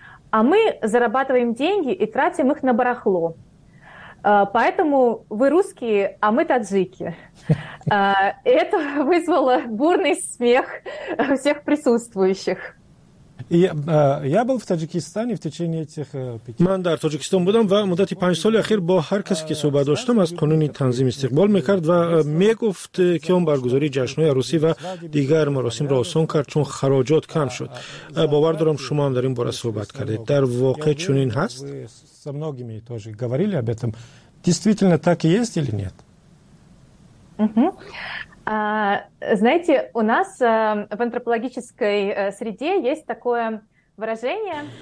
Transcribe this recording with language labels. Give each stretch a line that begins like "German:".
Russian: А мы зарабатываем деньги и тратим их на барахло. Поэтому вы русские, а мы таджики. Это вызвало бурный смех всех присутствующих. Я был в Таджикистане в течение этих 5
Tajik: Ман дар Таджикистан будам ва муддати 5 соли ахир бо ҳар касе ки суҳбат доштам аз қонуни танзим истиқбол мекард ва мегуфт ки он баргузори ҷашнҳои арӯсӣ ва дигар маросимро осон кард чун хароҷот кам шуд. Бовар дорам шумо ҳам дар ин бора суҳбат кардед. Дар воқеъ чунин ҳаст?
Russian: Со многими тоже говорили об этом. Действительно так и есть или нет? Знаете, у нас в антропологической среде есть такое выражение.